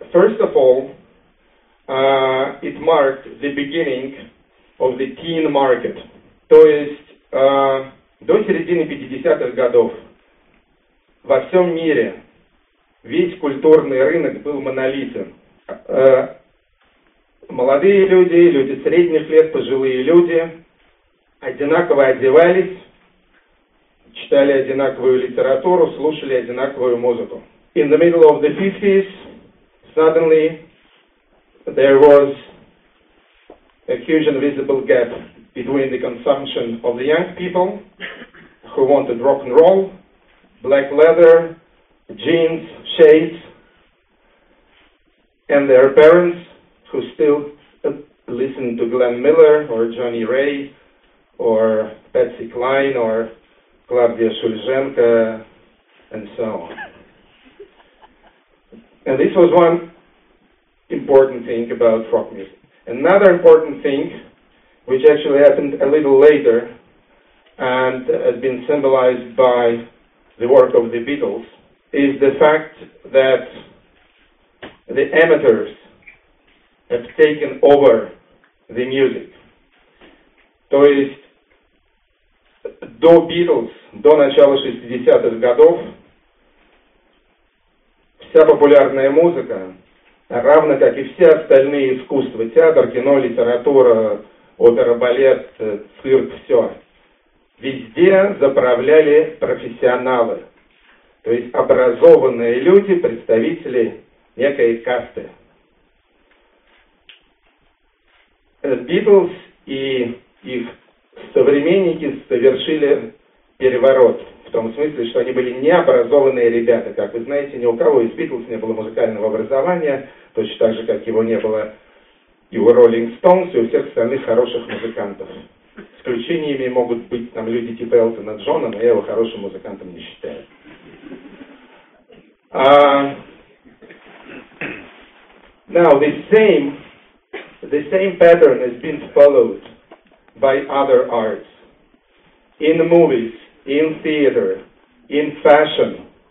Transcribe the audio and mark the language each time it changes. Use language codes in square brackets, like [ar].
[en] First of all, it marked the beginning of the teen market. [ru] То есть до середины 50-х годов во всем мире весь культурный рынок был монолитом. Молодые люди, люди средних лет, пожилые люди одинаково одевались, читали одинаковую литературу, слушали одинаковую музыку. [en] In the middle of the 50s, suddenly there was a huge and visible gap between the consumption of the young people who wanted rock and roll, black leather, jeans, shades, and their parents who still listened to Glenn Miller or Johnny Ray or Patsy Cline or Клавдия Шульженко and so on. And this was one important thing about rock music. Another important thing, which actually happened a little later and has been symbolized by the work of the Beatles, is the fact that the amateurs have taken over the music. [ru] То есть до Beatles, до начала 60-х годов, вся популярная музыка, равно как и все остальные искусства, театр, кино, литература, опера, балет, цирк, все, везде заправляли профессионалы, то есть образованные люди, представители некой касты. Beatles и их современники совершили переворот. В том смысле, что они были необразованные ребята. Как вы знаете, ни у кого из Beatles не было музыкального образования, точно так же, как его не было и у Rolling Stones, и у всех остальных хороших музыкантов. Исключениями могут быть там люди типа Элтона Джона, но я его хорошим музыкантом не считаю. [en] Now, the same pattern has been followed by other arts. In movies, in theater, in fashion.